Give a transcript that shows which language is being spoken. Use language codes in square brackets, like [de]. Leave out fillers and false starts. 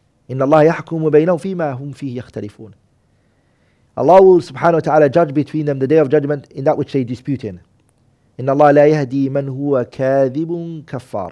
[ar] إن الله يحكم بينهم فيما هم فيه يختلفون. [en] Allah will subhanahu wa ta'ala judge between them the day of judgment in that which they dispute in. [ar] إن الله لا يهدي من هو كاذب كفار.